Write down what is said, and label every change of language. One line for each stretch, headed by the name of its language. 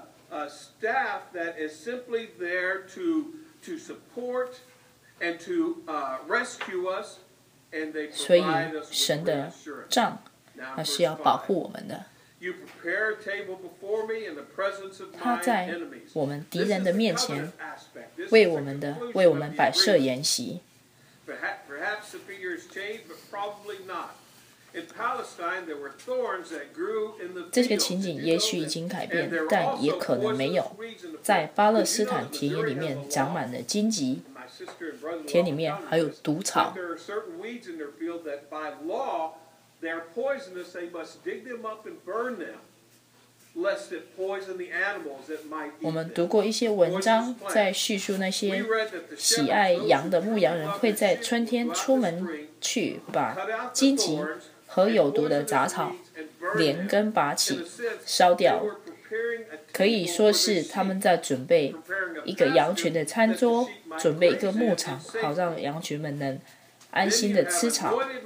English: a staff that is simply there to support and to rescue us, and they provide us with reassurance.
Chinese: 那是要保护我们的。
English: You prepare a table before me in the presence of my enemies.
Chinese: 他在我们敌人的面前为我们的为我们摆设筵席。
English: Perhaps the figure is changed, but probably not. In Palestine, there were thorns that grew in the field.
Chinese: 这个情景也许已经改变，但也可能没有。在巴勒斯坦田野里面长满了荆棘，田里面还有毒草。
English: There are certain weeds in their field that, by law, they're poisonous. They must dig them up and burn them, lest it poison the animals that might eat them.
Chinese: 我们读过一些文章，在叙述那些喜爱羊的牧羊人会在春天出门去把荆棘和有毒的杂草连根拔起烧掉，可以说是他们在准备一个羊群的餐桌，准备一个牧场，好让羊群们能安心的吃草。